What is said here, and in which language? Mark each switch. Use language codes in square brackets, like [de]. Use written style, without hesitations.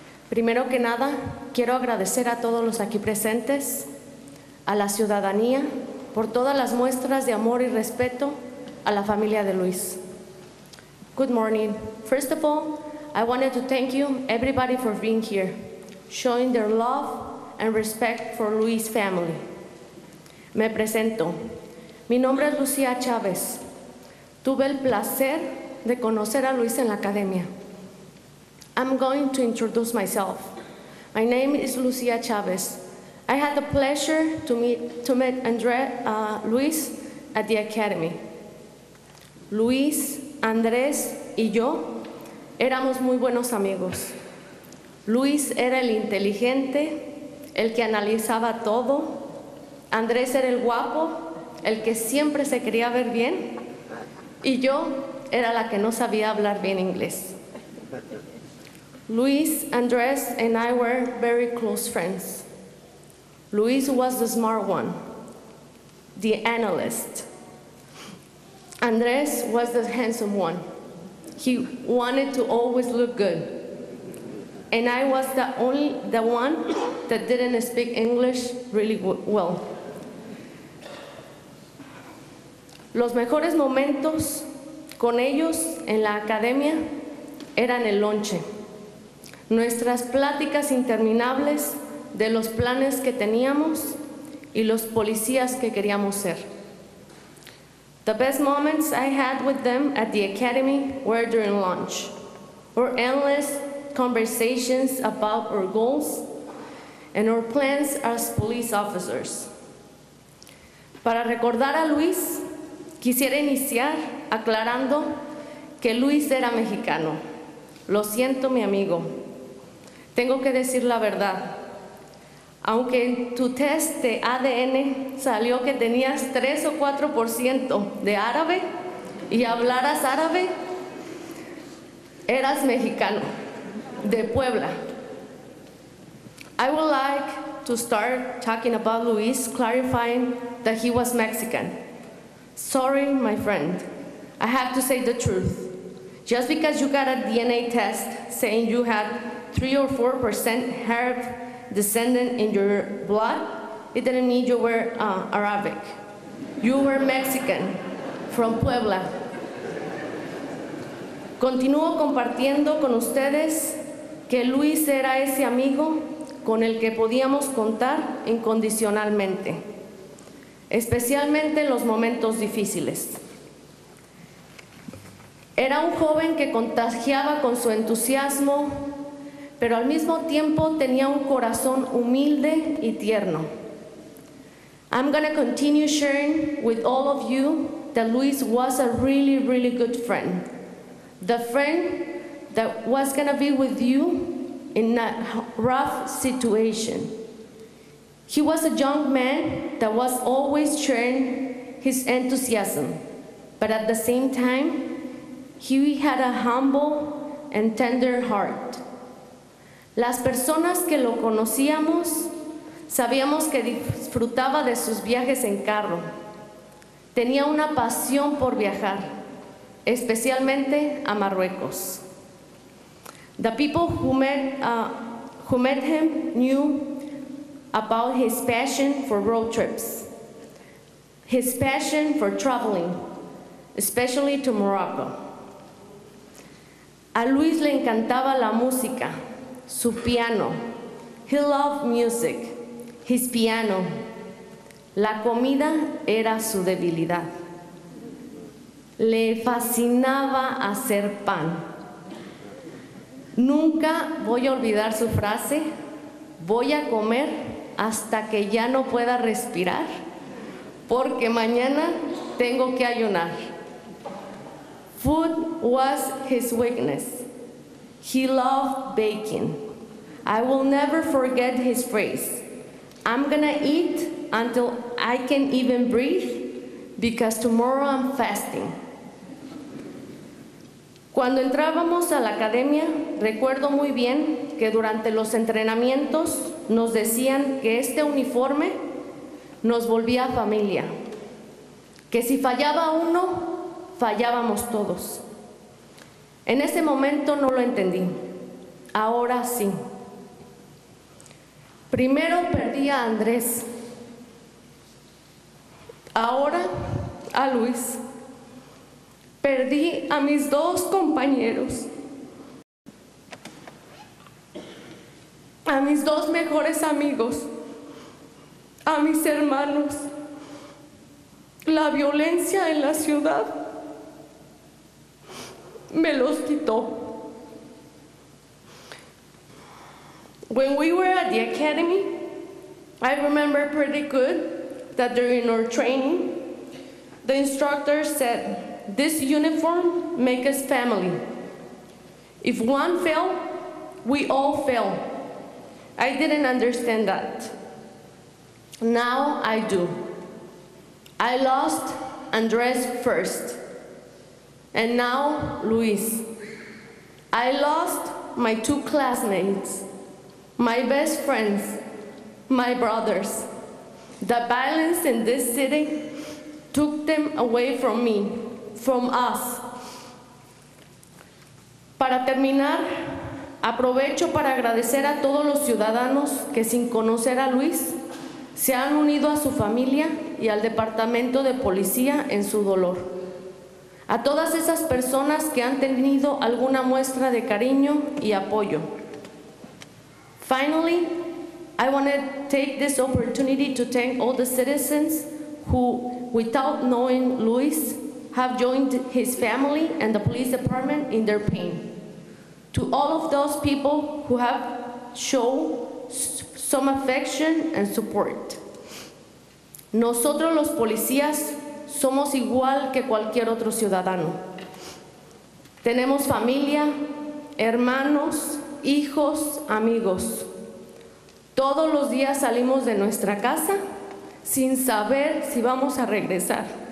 [es] Primero que nada, quiero agradecer a todos los aquí presentes, a la ciudadanía, por todas las muestras de amor y respeto a la familia de Luis. [en] Good morning. First of all, I wanted to thank you, everybody, for being here, showing their love and respect for Luis' family. [es] Me presento. Mi nombre es Lucía Chávez. Tuve el placer de conocer a Luis en la academia. [en] I'm going to introduce myself. My name is Lucía Chávez. I had the pleasure to meet André Luis at the academy. [es] Luis, Andrés y yo éramos muy buenos amigos. Luis era el inteligente, el que analizaba todo. Andrés era el guapo, el que siempre se quería ver bien. Y yo era la que no sabía hablar bien inglés. [en] Luis, Andrés, and I were very close friends. Luis was the smart one, the analyst. Andrés was the handsome one. He wanted to always look good. And I was the one that didn't speak English really well. [es] Los mejores momentos con ellos en la academia eran el lonche. Nuestras pláticas interminables de los planes que teníamos y los policías que queríamos ser. [en] The best moments I had with them at the academy were during lunch, or endless conversations about our goals and our plans as police officers. [es] Para recordar a Luis, quisiera iniciar aclarando que Luis era mexicano. Lo siento, mi amigo. Tengo que decir la verdad. Aunque en tu test de ADN salió que tenías 3 o 4% de árabe y hablaras árabe, eras mexicano, de Puebla. [en] I would like to start talking about Luis, clarifying that he was Mexican. Sorry, my friend. I have to say the truth. Just because you got a DNA test saying you had 3 or 4% Arab descendant in your blood, it didn't mean you were Arabic. You were Mexican from Puebla. [es] Continúo compartiendo con ustedes que Luis era ese amigo con el que podíamos contar incondicionalmente, especialmente en los momentos difíciles. Era un joven que contagiaba con su entusiasmo, pero al mismo tiempo tenía un corazón humilde y tierno. [en] I'm gonna continue sharing with all of you that Luis was a really, really good friend. The friend that was gonna be with you in a rough situation. He was a young man that was always sharing his enthusiasm, but at the same time, he had a humble and tender heart. [es] Las personas que lo conocíamos sabíamos que disfrutaba de sus viajes en carro. Tenía una pasión por viajar, especialmente a Marruecos. [en] The people who met him knew about his passion for road trips, his passion for traveling, especially to Morocco. [es] A Luis le encantaba la música, su piano. [en] He loved music, his piano. [es] La comida era su debilidad. Le fascinaba hacer pan. Nunca voy a olvidar su frase: voy a comer hasta que ya no pueda respirar, porque mañana tengo que ayunar. [en] Food was his weakness. He loved baking. I will never forget his phrase: I'm gonna eat until I can even breathe, because tomorrow I'm fasting. [es] Cuando entrábamos a la academia, recuerdo muy bien que durante los entrenamientos nos decían que este uniforme nos volvía familia, que si fallaba uno, fallábamos todos. En ese momento no lo entendí. Ahora sí. Primero perdí a Andrés. Ahora a Luis. Perdí a mis dos compañeros. A mis dos mejores amigos. A mis hermanos. La violencia en la ciudad me los quitó. [en] When we were at the academy, I remember pretty good that during our training, the instructor said, "This uniform makes us family. If one fell, we all fell." I didn't understand that. Now I do. I lost Andres first. And now, Luis, I lost my two classmates, my best friends, my brothers. The violence in this city took them away from me, from us. [es] Para terminar, aprovecho para agradecer a todos los ciudadanos que sin conocer a Luis, se han unido a su familia y al departamento de policía en su dolor. A todas esas personas que han tenido alguna muestra de cariño y apoyo. [en] Finally, I want to take this opportunity to thank all the citizens who, without knowing Luis, have joined his family and the police department in their pain. To all of those people who have shown some affection and support. [es] Nosotros los policías somos igual que cualquier otro ciudadano. Tenemos familia, hermanos, hijos, amigos. Todos los días salimos de nuestra casa sin saber si vamos a regresar.